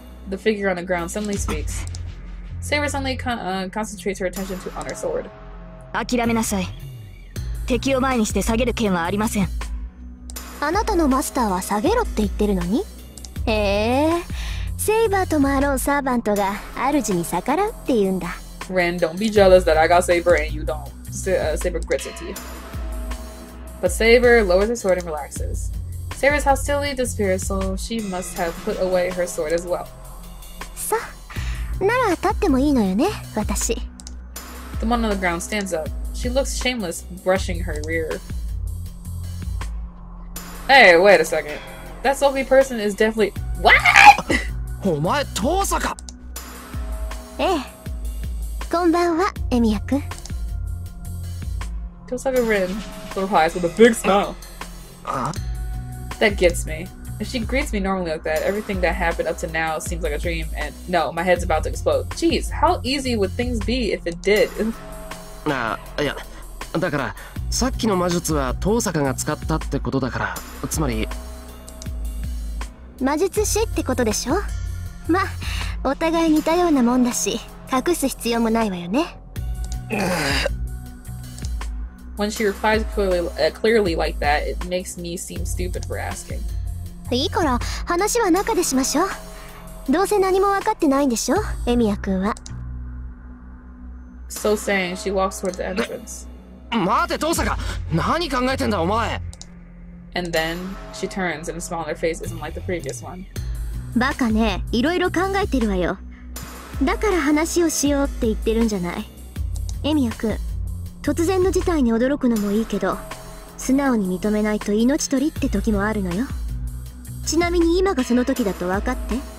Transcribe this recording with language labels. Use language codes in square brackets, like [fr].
[en] The figure on the ground suddenly speaks. Saber suddenly concentrates her attention to Honor Sword. [ja] 諦めなさい。敵を前にして下げる剣はありません。あなたのマスターは下げろって言ってるのに。へえ、セイバーともあろうサーヴァントが主に逆らうって言うんだ。 [en] Ren, don't be jealous that I got Saber and you don't. Saber grits her teeth. But Saber lowers her sword and relaxes. Saber's hostility disappears, so she must have put away her sword as well. [ja] さ、なら立ってもいいのよね、私。 [en] The one on the ground stands up. She looks shameless, brushing her rear. Hey, wait a second. That sulky person is definitely- What?! [ja] お前、トーサか! ええ。こんばんは、エミヤ君。トーサが [en] Rin replies with a big smile. That gets me. If she greets me normally like that, everything that happened up to now seems like a dream, and no, my head's about to explode. Jeez, how easy would things be if it did? Nah, yeah. [ja] だから、さっきの魔術は遠坂が使ったってことだから、つまり。魔術師ってことでしょ?ま、お互い似たようなもんだし、隠す必要もないわよね。 [en] When she replies clearly like that, it makes me seem stupid for asking. [ja] いいから話は中でしましょう。どうせ何も分かってないんでしょ、エミヤ君は。 [en] So saying, she walks toward the entrance. [ja] 待て、トーサカ、何考えてんだお前。 [en] And then she turns, and a smile on her face isn't like the previous one. [ja] バカね、いろいろ考えてるわよ。だから話をしようって言ってるんじゃない。エミヤ君、突然の事態に驚くのもいいけど、素直に認めないと命取りって時もあるのよ。ちなみに今がその時だと分かって。